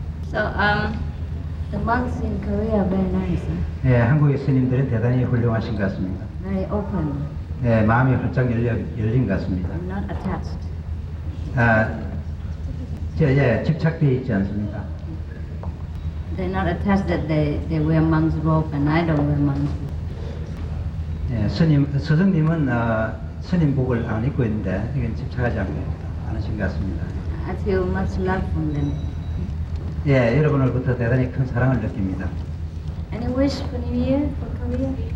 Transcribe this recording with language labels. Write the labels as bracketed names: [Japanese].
[English] So, the monks in Korea are very nice. [Korean] 예, 한국의 스님들은 대단히 훌륭하신 것 같습니다. [English] Very open. [Korean] 예, 마음이 활짝 열린 것 같습니다. [English] I'm not attached. [Korean] 집착되어 있지 않습니까? [English] They're not attached that they wear monk's robe and I don't wear monk's robe. [Korean] 예, 스승님은 스님복을 안 입고 있는데 이건 집착하지 않으신 것 같습니다. [English] I feel much love from them. [Korean] 예, 여러분으로부터 대단히 큰 사랑을 느낍니다. [English] Any wish for New Year, for Korea?